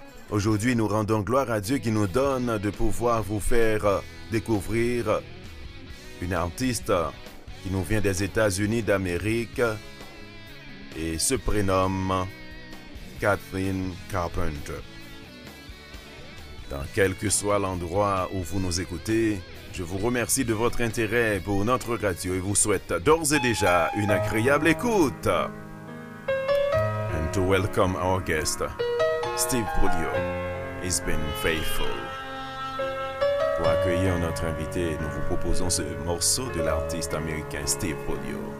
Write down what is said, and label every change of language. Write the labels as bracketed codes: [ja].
[fr] Aujourd'hui, nous rendons gloire à Dieu qui nous donne de pouvoir vous faire découvrir une artiste qui nous vient des États-Unis d'Amérique et se prénomme Kathleen Carpenter. Dans quel que soit l'endroit où vous nous écoutez, je vous remercie de votre intérêt pour notre radio et vous souhaite d'ores et déjà une agréable écoute. [en] And to welcome our guest, Steve Prudio, he's been faithful. [fr] Pour accueillir notre invité, nous vous proposons ce morceau de l'artiste américain Steve Prudio.